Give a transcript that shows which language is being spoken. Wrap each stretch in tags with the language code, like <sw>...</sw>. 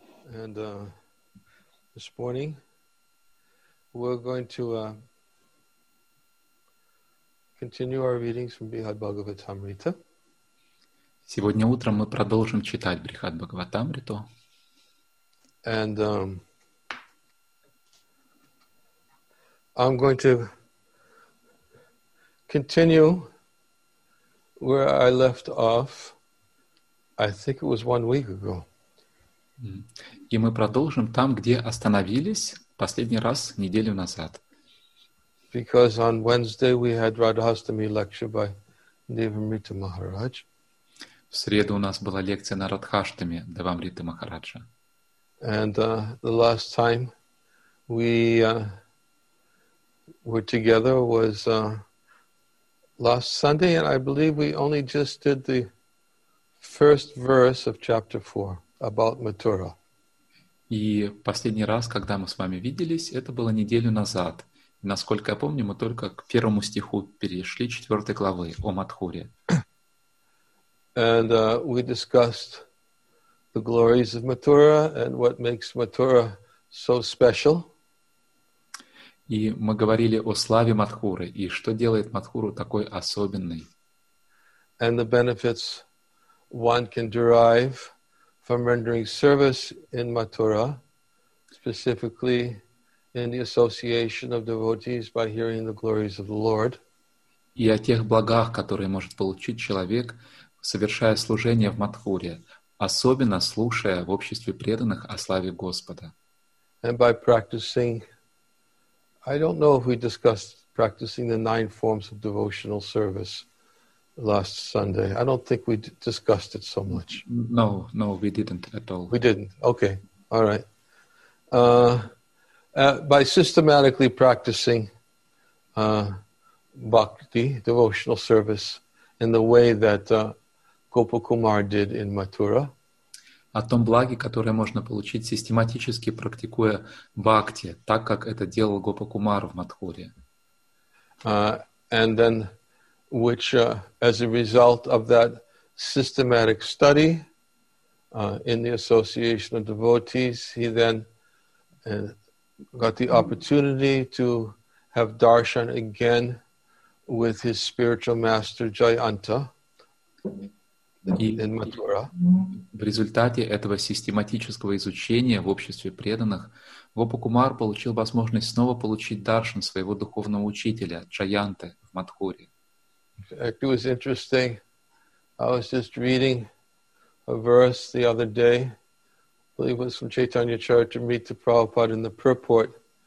<en>And this morning, we're going to continue our readings from Brihad Bhagavatamrita.</en> <ru>Сегодня утром мы продолжим читать Брихад Бхагаватамриту.</ru> <en>And I'm going to continue where I left off, I think it was 1 week ago.</en> <ru>И мы продолжим там, где остановились последний раз неделю назад.</ru> <en>Because on Wednesday we had Radhastami lecture by Devamrita Maharaj.</en> <ru>В среду у нас была лекция на Радхаштами Девамриты Махараджа.</ru> <en>And the last time we were together was last Sunday, and I believe we only just did the first verse of chapter 4 about Mathura.</en> <ru>И последний раз, когда мы с вами виделись, это было неделю назад. Насколько я помню, мы только к первому стиху перешли, четвертой главы о Матхуре.</ru> <en>And we discussed the glories of Mathura and what makes Mathura so special.</en> <ru>И мы говорили о славе Матхуры и что делает Матхуру такой особенной.</ru> <en>And the benefits one can derive from rendering service in Mathura, specifically in the association of devotees by hearing the glories of the Lord.</en> <ru>И о тех благах, которые может получить человек, совершая служение в Матхуре, особенно слушая в обществе преданных о славе Господа.</ru> <en>And by practicing, I don't know if we discussed practicing the 9 forms of devotional service last Sunday. I don't think we discussed it so much. No, we didn't at all. We didn't. Okay. All right. By systematically practicing bhakti, devotional service, in the way that Gopakumar did in Mathura.</en> <ru>О том благе, которое можно получить, систематически практикуя бхакти, так, как это делал Гопакумар в Матхуре.</ru> <en>And then, which, as a result of that systematic study in the association of devotees, he then got the opportunity to have darshan again with his spiritual master Jayanta. In Mathura.</en> <ru>В результате этого систематического изучения в обществе преданных Гопакумар получил возможность снова получить даршан своего духовного учителя Джаянты в Матхуре.</ru> <en>It was interesting. I was just reading a verse the other day. I believe it was from Chaitanya Charitamrita Prabhupada in the purport.</en>